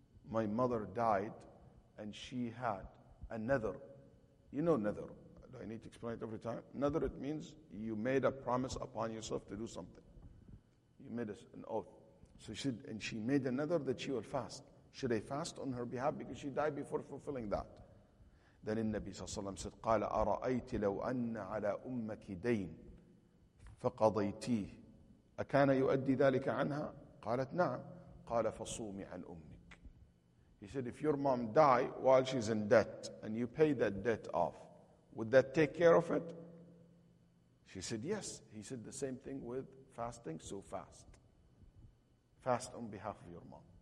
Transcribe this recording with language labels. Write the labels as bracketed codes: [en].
[en] My mother died and she had a nadhr. You know nadhr. Do I need to explain it every time? Nadhr, it means you made a promise upon yourself to do something. You made an oath. So she made a nadhr that she will fast. Should I fast on her behalf? Because she died before fulfilling that. Then in Nabi sallallahu alayhi wa sallam said, [ar] قَالَ أَرَأَيْتِ لَوْ أَنَّ عَلَىٰ أُمَّكِ دَيْنٍ فَقَضَيْتِيهِ أَكَانَ يُؤَدِّي ذَلِكَ عَنْهَا؟ قَالَتْ نَعَمْ. قَالَ فَصُومِ عَنْ أُمِّكِ. [en] He said, if your mom die while she's in debt and you pay that debt off, would that take care of it? She said, yes. He said the same thing with fasting, so fast. Fast on behalf of your mom.